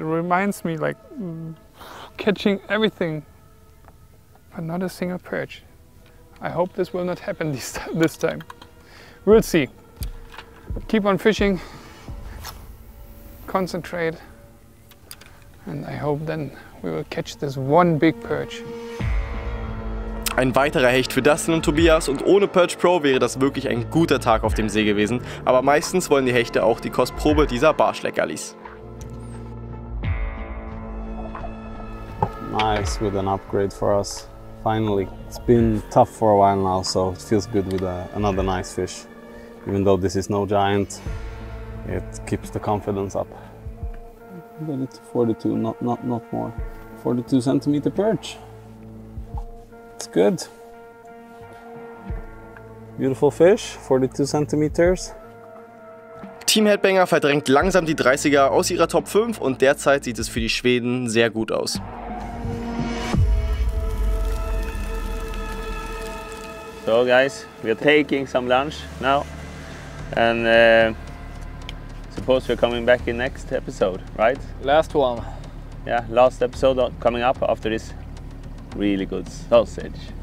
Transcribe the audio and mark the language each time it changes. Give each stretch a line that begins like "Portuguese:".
English: It reminds me, like, catching everything, but not a single perch. I hope this will not happen this time. We'll see. Keep on fishing, concentrate, and I hope then we will catch this one big perch.
German: Ein weiterer Hecht für Dustin und Tobias und ohne Perch Pro wäre das wirklich ein guter Tag auf dem See gewesen. Aber meistens wollen die Hechte auch die Kostprobe dieser Barschleckerlis.
English: Nice with an upgrade for us. Finally, it's been tough for a while now, so it feels good with another nice fish. Even though this is no giant, it keeps the confidence up. Then it's 42, not more. 42 centimeter perch. It's good. Beautiful fish, 42 centimeters.
German: Team Headbanger verdrängt langsam die 30er aus ihrer Top 5 und derzeit sieht es für die Schweden sehr gut aus.
English: So guys, we are taking some lunch now and suppose we're coming back in next episode, right? Last one. Yeah, last episode coming up after this really good sausage.